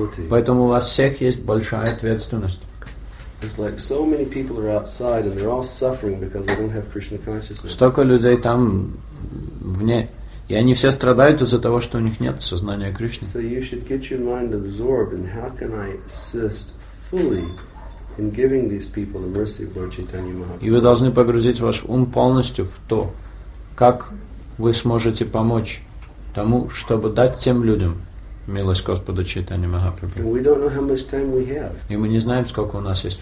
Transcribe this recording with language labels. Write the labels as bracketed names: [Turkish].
[Russian] Поэтому у вас всех есть большая ответственность. [English] It's like so many people are outside and they're all suffering because they don't have Krishna consciousness. [Russian] Столько людей там вне, и они все страдают из-за того, что у них нет сознания Кришны. [English] So you should get your mind absorbed and how can I assist fully in giving these people the mercy of Lord Chaitanya Mahaprabhu. [Russian] И вы должны погрузить ваш ум полностью в то, как вы сможете помочь тому, чтобы дать тем людям милость Господа Чайтаньи Махапрабху. И мы не знаем, сколько у нас есть